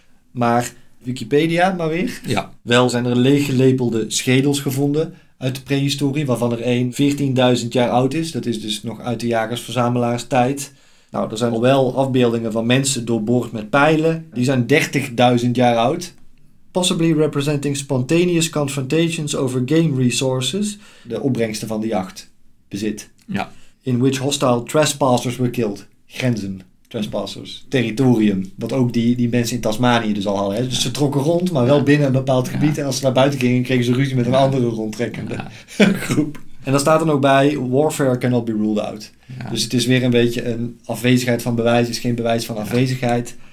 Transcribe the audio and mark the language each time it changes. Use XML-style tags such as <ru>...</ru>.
<nl>Maar Wikipedia maar weer. Ja. Wel zijn er leeggelepelde schedels gevonden uit de prehistorie, waarvan er één 14.000 jaar oud is. Dat is dus nog uit de jagersverzamelaarstijd. Nou, er zijn al wel afbeeldingen van mensen doorboord met pijlen. Die zijn 30.000 jaar oud.</nl> <en>Possibly representing spontaneous confrontations over game resources.</en> <nl>De opbrengsten van de jacht. Bezit. Ja.</nl> <en>In which hostile trespassers were killed.</en> <nl>Grenzen. Trespassers. Territorium. Wat ook die mensen in Tasmanië dus al hadden. Hè? Dus ze trokken rond, maar wel binnen een bepaald gebied. Ja. En als ze naar buiten gingen, kregen ze ruzie met een andere rondtrekkende groep. En dan staat er nog bij,</nl> <en>warfare cannot be ruled out.</en> <nl>Ja. Dus het is weer een beetje een afwezigheid van bewijs, is geen bewijs van afwezigheid.</nl>